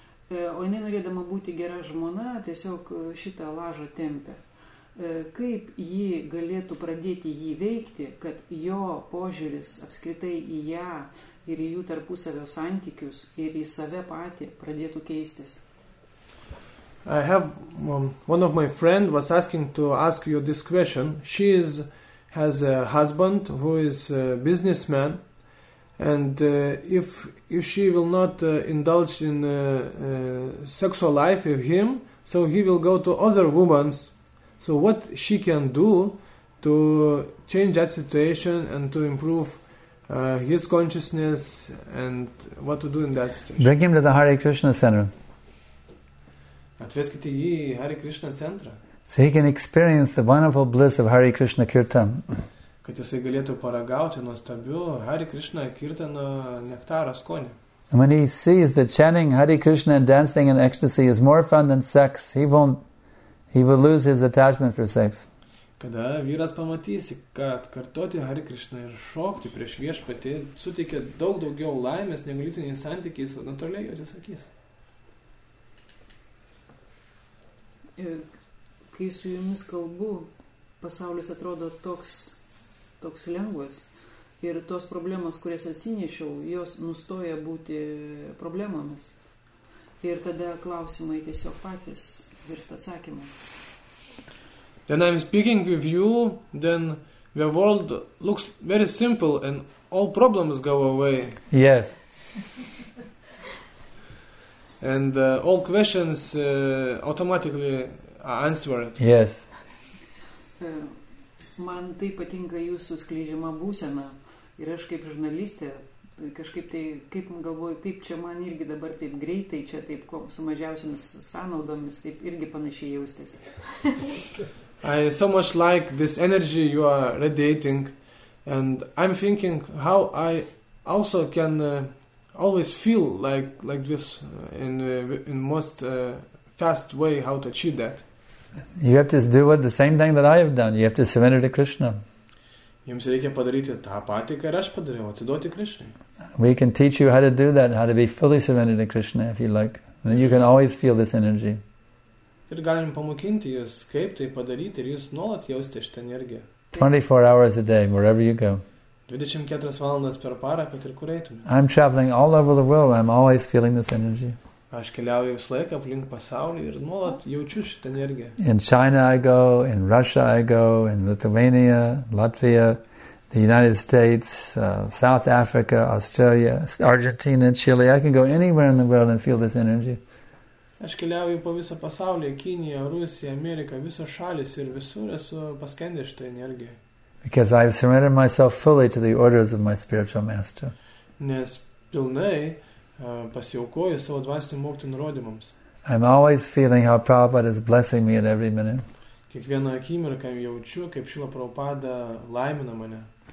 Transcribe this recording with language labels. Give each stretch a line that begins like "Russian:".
Lithuanian: O jinai norėdama būti gera žmona, tiesiog šitą lažą tempia. Kaip ji galėtų pradėti jį veikti, kad jo požiūris apskritai į ją ir į jų tarpusavio santykius ir į save patį pradėtų keistis?
English: I have one of my friend was asking to ask you this question. She is has a husband who is a businessman. And if she will not indulge in sexual life with him, so he will go to other women. So what she can do to change that situation and to improve his consciousness and what to do in that situation? Bring him to the Hare Krishna Center.
Lithuanian: Atveskite jį į Hare Krishna Centrą.
English: So he can experience the wonderful bliss of Hare Krishna Kirtan.
Lithuanian: Kad jisai galėtų paragauti nuostabių Hare Krishna Kirtano nektaro skonį.
English: And when he sees that chanting Hare Krishna and dancing in ecstasy is more fun than sex, he will lose his attachment for sex.
Lithuanian: Kada vyras pamatys, kad kartoti Hare Krishna ir šokti prieš viešpatį suteikia daug daugiau laimės negu lytiniai santykiai, jis natūraliai jo atsisakys. Kai su jumis kalbu, pasaulis atrodo toks lengvas ir tos problemos, kurias atsinešiau, jos nustoja būti problemomis. Ir tada klausimai tiesiog patys virsta atsakymu.
English: Then I'm speaking with you, then the world looks very simple and all problems go away. Yes. And all questions automatically are answered. Yes.
Lithuanian: Man tai patinka jūsų skleidžiama būsena ir aš kaip žurnalistė kažkaip tai, kaip galvoju, kaip čia man irgi dabar taip greitai, čia taip su mažiausiamis sąnaudomis taip irgi panašiai jaustis.
English: I so much like this energy you are radiating and I'm thinking how I also can always feel like this in most fast way how to achieve that. You have to do the same thing that I have done. You have to surrender to Krishna.
Lithuanian: Jums reikia padaryti tą patį, ką aš padariau, atsiduoti Krishnai.
English: We can teach you how to do that, how to be fully surrendered to Krishna, if you like. And you can always feel this energy.
Lithuanian: Ir galim pamokinti jūs, kaip tai padaryti, ir jūs nuolat jausite šitą energiją.
English: 24 hours a day, wherever you go.
Lithuanian: 24 valandas per parą, kad ir kur eitume.
English: I'm traveling all over the world, I'm always feeling this energy.
Lithuanian: Aš keliauju visą laiką aplink pasaulį ir nuolat jaučiu šitą energiją.
English: In China I go, in Russia I go, in Lithuania, Latvia, the United States, South Africa, Australia, Argentina, Chile. I can go anywhere in the world and feel this energy.
Lithuanian: Aš keliauju po visą pasaulį, Kiniją, Rusiją, Ameriką, visos šalis ir visur esu paskendęs šitą energiją.
English: Because I have surrendered myself fully to the orders of my spiritual master.
Lithuanian: Nes pilnai pasiaukoju savo dvasinių mokytojų nurodymams.
English: I'm always feeling how Prabhupada is blessing me at every minute.
Lithuanian: Kiekvieną akimirką jaučiu, kaip Šila Prabhupada laimina mane.